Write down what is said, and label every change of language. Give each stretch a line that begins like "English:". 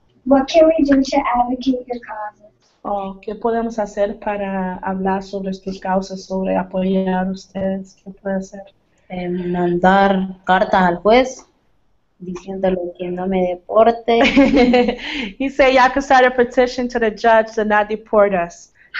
English: What can we do to advocate your causes?
Spanish: Oh, ¿qué podemos hacer para hablar sobre sus causas, sobre apoyar ustedes? ¿Qué puede hacer? Mandar cartas al juez diciéndole que no me deporte.
English: He said, y'all can start a petition to the judge to not deport us.